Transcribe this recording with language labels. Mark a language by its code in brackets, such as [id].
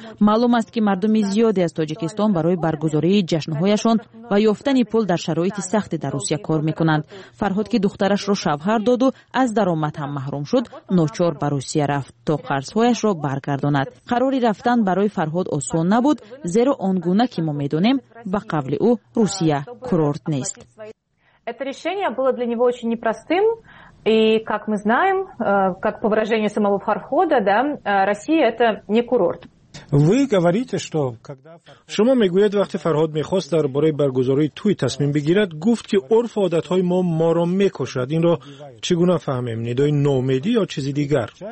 [fa] معلوم است که مردم زیادی از تاجیکستان برای برگزاری جشن هایشان و یافتن پول در شرایط سخت در روسیه کار میکنند. فرهاد که دخترش را شوهر داد و از درآمد هم محروم شد، ناچار به روسیه رفت تا قرضهایش را برگرداند. قراری رفتن برای فرهاد آسان نبود، زیرا آنگونه که ما میدونیم با قبل او روسیه کورورت نیست. [ru] Это решение было для него очень непростым, и как мы знаем, как по выражению самого Фархода, да, Россия это не курорт. Вы говорите, что когда [fa] شما میگوید وقتی فرهاد میخواست درباره برگزاری توی تصمیم بگیرد، گفت که عرف و عادت های ما ما را میکشد. این را چگونه فهمیم؟ ندای نومیدی یا چیزی دیگر؟